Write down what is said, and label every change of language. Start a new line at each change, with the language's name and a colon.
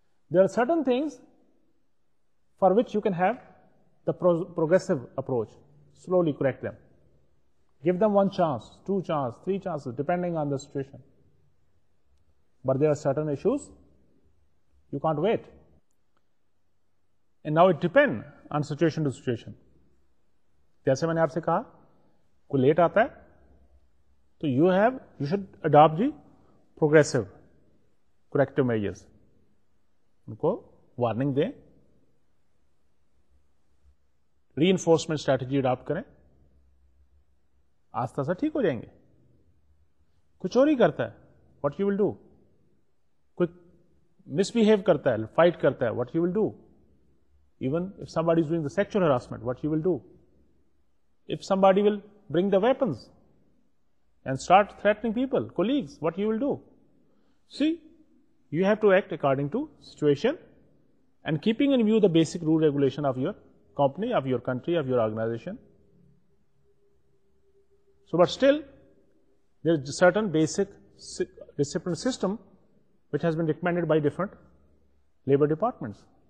English: there are certain things for which you can have the progressive approach. Slowly correct them. Give them one chance, two chances, three chances, depending on the situation. But there are certain issues, you can't wait. And now it depends on situation to situation.
Urdu: جیسے میں نے آپ سے کہا کوئی late آتا ہے تو
English: you have you should adopt the progressive corrective measures
Urdu: ان کو وارننگ دیں ری انفورسمنٹ اسٹریٹجی اڈاپٹ کریں آستہ آستہ ٹھیک ہو جائیں گے کچھ اور ہی کرتا ہے
English: what you will do
Urdu: کوئی مس بہیو کرتا ہے
English: Fight کرتا ہے what you will do even if somebody is doing the sexual harassment what you will do If somebody will bring the weapons and start threatening people, colleagues, what you will do? See, you have to act according to situation and keeping in view the basic rule regulation of your company, of your country, of your organization. So, but still, there is a certain basic discipline system which has been recommended by different labor departments.